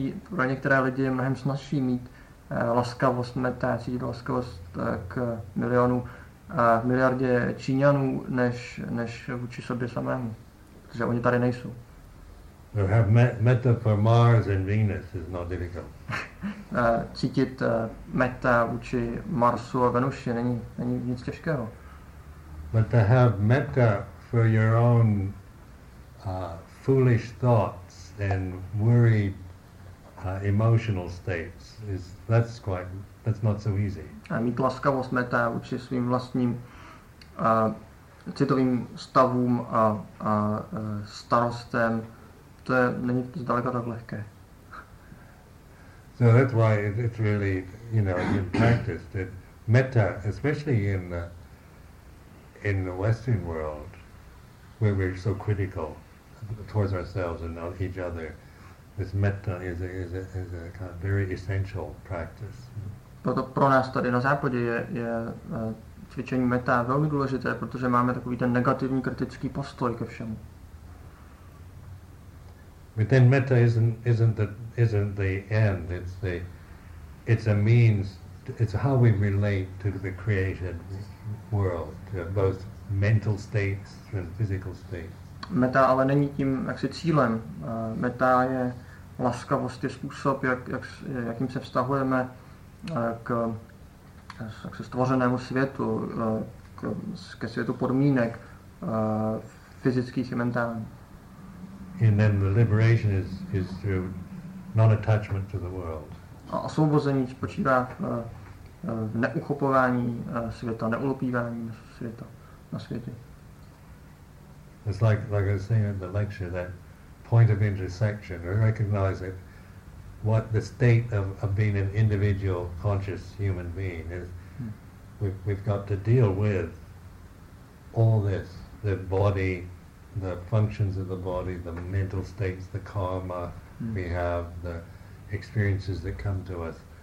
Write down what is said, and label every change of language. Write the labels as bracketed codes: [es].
[cs] Pro některé lidi je mnohem snazší mít laskavost, metta, cítit laskavost k milionu a v miliardě Číňanů než vůči sobě samému, protože oni tady nejsou. [en] To have metta for Mars and Venus is not difficult. [cs] Cítit metta vůči Marsu a Venuši není nic těžkého. [en] But to have metta for your own foolish thoughts and worried emotional states is that's not so easy. [cs] A mít laskavost, metta vůči svým vlastním citovým stavům a starostem, to není zdaleka tak lehké. [en] So that's why it's really, you know, in practice that metta, especially in the Western world, where we're so critical towards ourselves and not each other, this metta is a kind of very essential practice. [cs] Proto pro nás tady na západě je cvičení metta velmi důležité, protože máme takový ten negativní kritický postoj ke všemu. [en] But then metta isn't the end. It's a means. It's how we relate to the created world, to both mental states and physical states. [cs] Metta ale není tím jaksi cílem. Metta je laskavost, je způsob, jakým se vztahujeme k stvořenému světu, ke světu podmínek fyzických i mentálních. [en] And then the liberation is through non-attachment to the world. [cs] A osvobození spočívá v neuchopování světa, neulopívání světa na světě. [en] It's like I was saying in the lecture, that point of intersection, or recognize it, what the state of being an individual conscious human being is. We've got to deal with all this, the body, the functions of the body, the mental states, the karma we have, the experiences that come to us.